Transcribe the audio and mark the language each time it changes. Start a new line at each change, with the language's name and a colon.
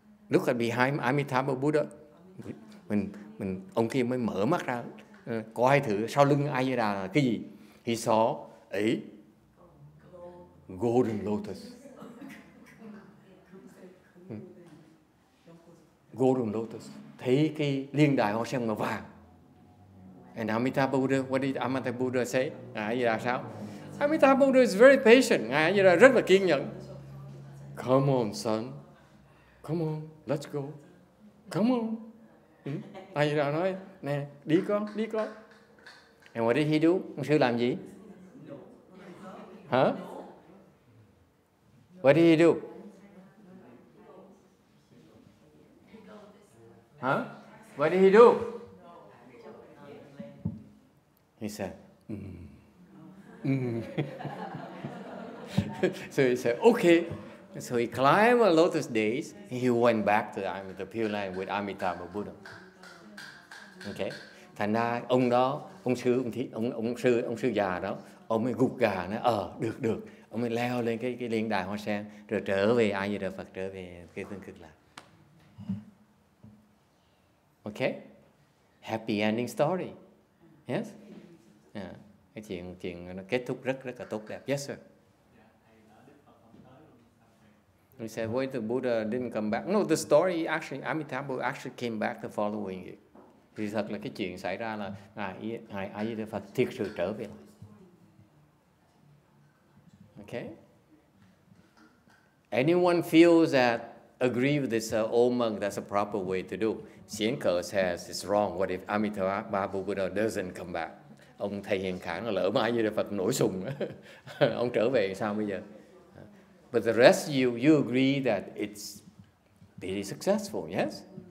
English: Look at behind Amitabha Buddha.
Vietnamese: Mình ông kia mới mở mắt ra. Coi thử sau lưng A Di Đà là cái gì?
English: He saw a golden lotus. Golden lotus.
Vietnamese: Thấy cái liên đài hoa sen màu vàng.
English: And Amitabha Buddha, what did Amitabha Buddha say?
Vietnamese: À, vậy là sao?
English: Amitabha Buddha is very patient.
Vietnamese: À, vậy là rất là kiên nhẫn.
English: Come on, son. Come on, let's go. Come on.
Vietnamese: À, vậy là nói, nè, đi con, đi con.
English: And what did he do?
Vietnamese: Ông sư làm gì? Hả?
English: Huh? What did he do? Huh? What did he do? He said, So he said, okay. So he climbed a lotus days. He went back to the Pure Land with Amitabha Buddha. Okay.
Vietnamese: Thành ra ông đó, ông sư già đó, ông mới gục gà nói, được. Ông mới leo lên cái liên đài hoa sen rồi trở về A Di Đà Phật, trở về cái tương cực lạc.
English: Okay, happy ending story. Yes? Yeah.
Vietnamese: Cái chuyện nó kết thúc rất là tốt đẹp.
English: Yes, sir. He said, wait, the Buddha didn't come back. No, the story actually, Amitabha actually came back the following year.
Vietnamese: Thì thật là cái chuyện xảy ra là Ngài A Di Đà Phật thiệt sự trở về.
English: Okay? Anyone feels that agree with this old monk, that's a proper way to do. Xianke says it's wrong. What if Amitabha Buddha doesn't come back?
Vietnamese: Ông thầy hiền khẳng là lỡ mà A Di Đà Phật nổi sùng. Ông trở về sao bây giờ?
English: But the rest of you agree that it's pretty successful, yes?